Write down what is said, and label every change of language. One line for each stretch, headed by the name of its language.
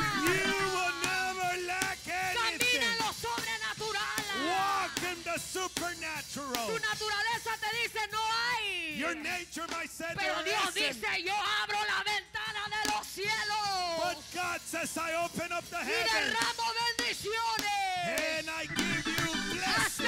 English: You will never lack anything.
Spanish: Camina en lo sobrenatural.
English: Walk in the supernatural.
Spanish: Tu naturaleza te dice no hay.
English: Your nature might say
Spanish: pero
English: there
Spanish: Dios dice yo abro la ventana de los cielos.
English: But God says I open up the heavens.
Spanish: Y derramo bendiciones.
English: And I give you blessings.